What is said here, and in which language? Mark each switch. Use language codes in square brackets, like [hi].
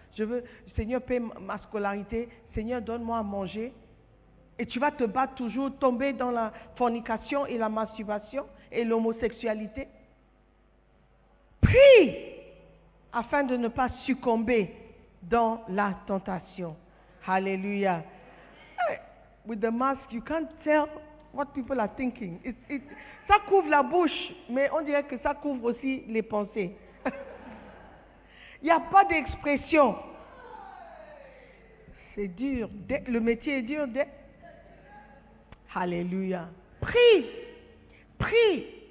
[fr] Je veux, Seigneur, paye ma scolarité. Seigneur, donne-moi à manger. Et tu vas te battre toujours, tomber dans la fornication et la masturbation et l'homosexualité. Prie afin de ne pas succomber dans la tentation. Alléluia. [en] With the mask, you can't tell what people are thinking. [fr] Ça couvre la bouche, mais on dirait que ça couvre aussi les pensées. Il n'y a pas d'expression. C'est dur. Le métier est dur. Alléluia. Prie. Prie.